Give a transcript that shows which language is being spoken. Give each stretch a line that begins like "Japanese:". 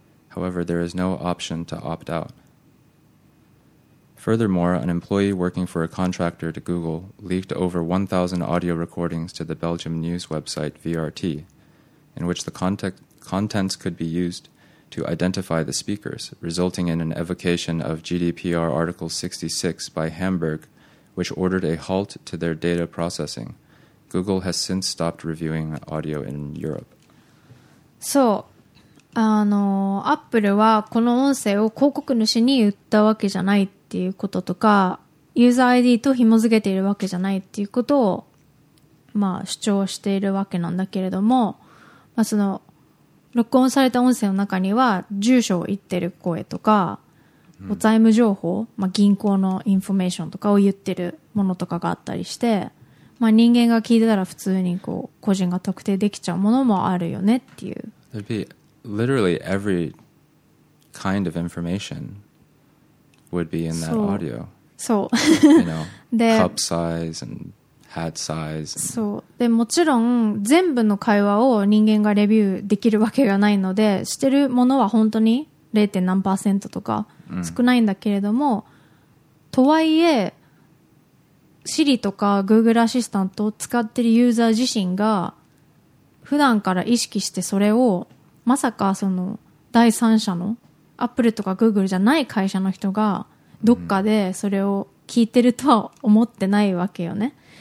English: However, there is no option to opt out. Furthermore, an employee working for a contractor to Google leaked over 1,000 audio recordings to the Belgium news website VRT, in which the contents could be used to identify the speakers, resulting in an evocation of GDPR Article 66 by Hamburg, which ordered a halt to their data processing. Google has since stopped reviewing audio in Europe.
Japanese: そう、Apple はこの音声を広告主に売ったわけじゃないっていうこととか、ユーザー ID と紐付けているわけじゃないっていうことを、まあ、主張しているわけなんだけれども、まあ、その録音された音声の中には住所を言ってる声とか、うん、お財務情報、まあ、銀行のインフォメーションとかを言ってるものとかがあったりして、まあ、人間が聞いてたら普通にこう個人が特定できちゃうものもあるよねっていう。
English: There'd be literally every kind of information would be in that audio.
Japanese: そう。
English: You know, で、cup size and hat size.
Japanese: そう。で、もちろん全部の会話を人間がレビューできるわけがないので、してるものは本当に 0. 何パーセントとか少ないんだけれども、うん、とはいえ Siri とか Google アシスタントを使ってるユーザー自身が普段から意識してそれを、まさかその第三者の Apple とか Google じゃない会社の人がどっかでそれを聞いてるとは思ってないわけよね。